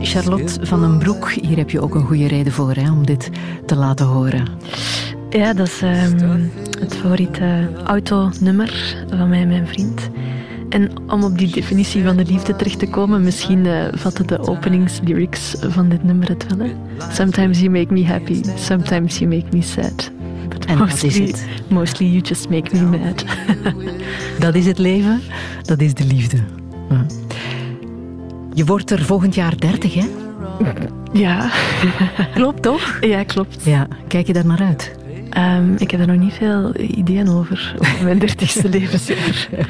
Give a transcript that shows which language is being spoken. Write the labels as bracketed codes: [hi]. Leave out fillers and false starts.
[nl] Charlotte van den Broek, hier heb je ook een goede reden voor, hè, om dit te laten horen. Ja, dat is het favoriete autonummer van mij en mijn vriend. En om op die definitie van de liefde terecht te komen, misschien vatten de openingslyrics van dit nummer het wel. Hè? [en] Sometimes you make me happy, sometimes you make me sad. But [nl] en wat is het? [en] Mostly you just make me mad. [nl] Dat is het leven, dat is de liefde. Je wordt er volgend jaar 30, hè? Ja. Klopt, toch? Ja, klopt. Ja. Kijk je daar naar uit? Ik heb er nog niet veel ideeën over, mijn 30ste levensjaar.